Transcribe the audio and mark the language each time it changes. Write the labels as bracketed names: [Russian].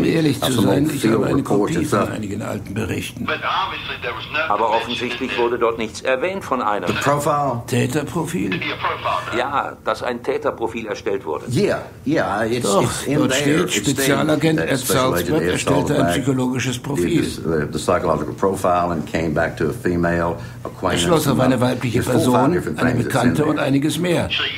[German] Um ehrlich zu sein, ich habe eine Kopie von einigen alten Berichten. Aber offensichtlich wurde dort nichts erwähnt von einem. [English] The profile. [German] Täterprofil? Ja, dass ein Täterprofil erstellt wurde. [English] Yeah, [German] dort steht, Spezialagent Ed Salzberg erstellte ein psychologisches Profil. [English] The psychological profile and came back to a female acquaintance. [German] Er schloss auf eine weibliche Person, eine Bekannte und einiges mehr.